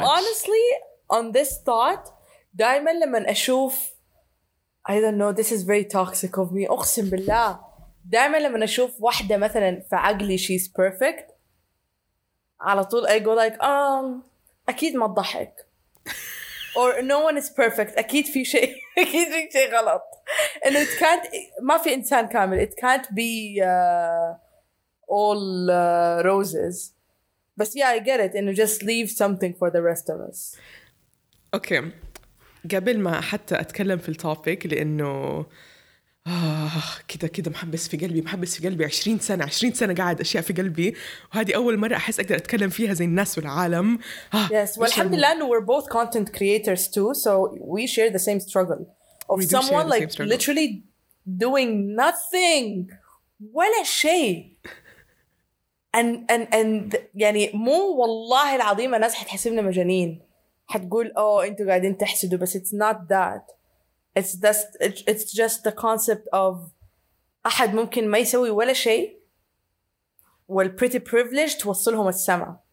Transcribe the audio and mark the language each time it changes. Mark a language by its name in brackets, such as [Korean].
[English] No, honestly, on this thought, [Arabic] دائما لما أشوف [English] I don't know, this is very toxic of me. [Arabic] أقسم بالله. دائما لما أشوف واحدة مثلا في عقلي [English] she's perfect [Arabic] على طول [English] I go like, [Arabic] أكيد ما تضحك. [English] Or no one is perfect. [Arabic] أكيد في شيء. أكيد في شيء غلط. [English] And it can't... [Arabic] ما في إنسان كامل. [English] It can't be all roses. But yeah, I get it. And just leave something for the rest of us. Okay. [Arabic] قبل ما حتى أتكلم في التوبيك لأنه... كده كده محبس في قلبي محبس في قلبي 20 سنة قاعد أشياء في قلبي وهذه أول مرة أحس أقدر أتكلم فيها زي الناس والعالم [English] yes [Arabic] والحمد لله أنه [English] we're both content creators too so we share the same struggle of someone like literally doing nothing [Arabic] ولا شيء [English] and [Arabic] يعني مو والله العظيم الناس حتحسبنا مجانين حتقول أوه أنتوا قاعدين تحسدوا بس [English] it's not that It's just the concept of [Arabic] أحد ممكن ما يسوي ولا شيء [English] والpretty privileged [Arabic] توصلهم السماء.